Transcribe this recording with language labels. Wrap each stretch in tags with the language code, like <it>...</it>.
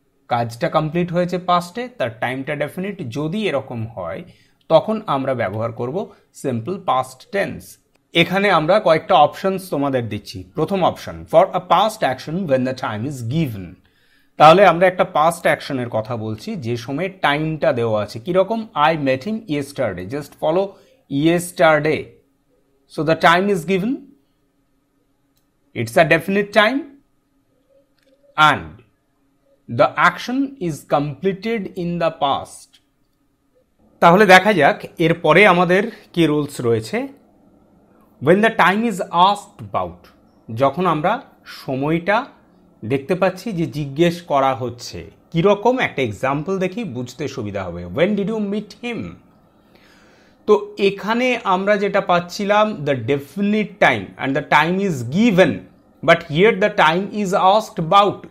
<bn>কাজটা কমপ্লিট হয়েছে পাস্টে, তার টাইমটা ডেফিনিট। যদি এরকম হয় তখন আমরা ব্যবহার করব সিম্পল পাস্ট টেন্স। এখানে আমরা কয়েকটা অপশনস তোমাদের দিচ্ছি। প্রথম option,</bn> <en>For a past action when the time is given.</en> <bn>তাহলে আমরা একটা পাস্ট অ্যাকশনের কথা বলছি যে সময়ে টাইমটা দেওয়া আছে। কীরকম?</bn> <en>I met him yesterday, just follow yesterday. So the time is given, it's a definite time, and the action is completed in the past.</en> <bn>তাহলে দেখা যাক এর পরে আমাদের কি রুলস রয়েছে।</bn> <en>When the time is asked about,</en> <bn>যখন আমরা সময়টা দেখতে পাচ্ছি যে জিজ্ঞেস করা হচ্ছে, কিরকম একটা এক্সাম্পল দেখি বুঝতে সুবিধা হবে।</bn> <en>When did you meet him?</en> <bn>তো এখানে আমরা যেটা পাচ্ছিলাম,</bn> <en>The definite time and the time is given, but here the time is asked about.</en>